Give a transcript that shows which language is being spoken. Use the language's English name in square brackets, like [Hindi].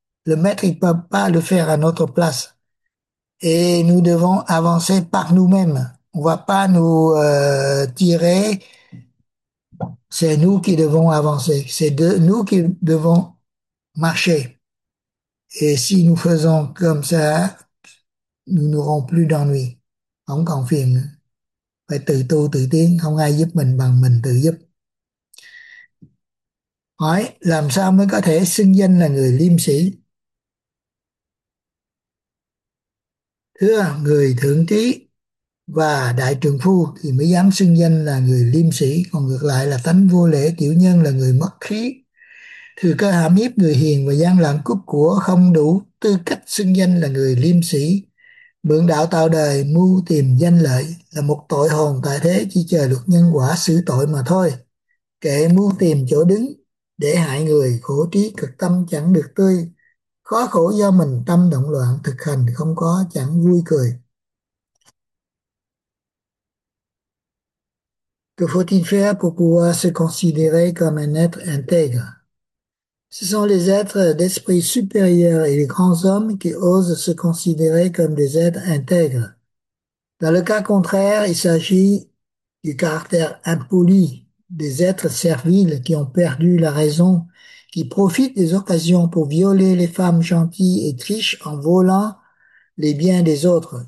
[French] Le maître, il peut pas le faire à notre place. Et nous devons avancer par nous-mêmes. On va pas nous tirer. C'est nous qui devons avancer. C'est de nous qui devons marcher. Et si nous faisons comme ça, nous n'aurons plus d'ennui. On confirme. [Vietnamese] Phải tự tu tự tiến, không ai giúp mình bằng mình tự giúp. Hỏi làm sao mới có thể xưng danh là người liêm sĩ? Thưa người thượng trí và đại trượng phu thì mới dám xưng danh là người liêm sĩ, còn ngược lại là tánh vô lễ tiểu nhân là người mất khí. Thừa cơ hãm hiếp người hiền và gian lận cướp của không đủ tư cách xưng danh là người liêm sĩ. Mượn đạo tạo đời, mưu tìm danh lợi là một tội hồn tại thế chỉ chờ luật nhân quả xử tội mà thôi. Kệ mưu tìm chỗ đứng để hại người, khổ trí cực tâm chẳng được tươi. Khó khổ do mình tâm động loạn, thực hành không có chẳng vui cười. [French] Que faut-il faire pour pouvoir se considérer comme un être intègre? Ce sont les êtres d'esprit supérieur et les grands hommes qui osent se considérer comme des êtres intègres. Dans le cas contraire, il s'agit du caractère impoli des êtres serviles qui ont perdu la raison, qui profitent des occasions pour violer les femmes gentilles et trichent en volant les biens des autres.